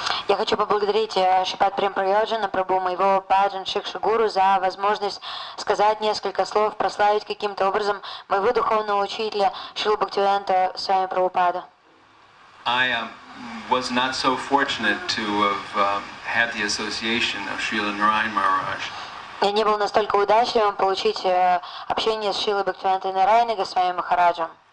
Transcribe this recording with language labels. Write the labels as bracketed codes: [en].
[ru] Я хочу поблагодарить Шипат Прем Прайоджана Прабу, моего Баджан Шикша Гуру, за возможность сказать несколько слов, прославить каким-то образом моего духовного учителя Шрилу Бхактивиданта Свами Прабхупада. [en] I was not so fortunate to have had the association of Srila Narayana Maharaj. [ru] Я не был настолько удачливым получить общение с Шрилой Бхактивиданта Нарайаной Госвами Махараджем.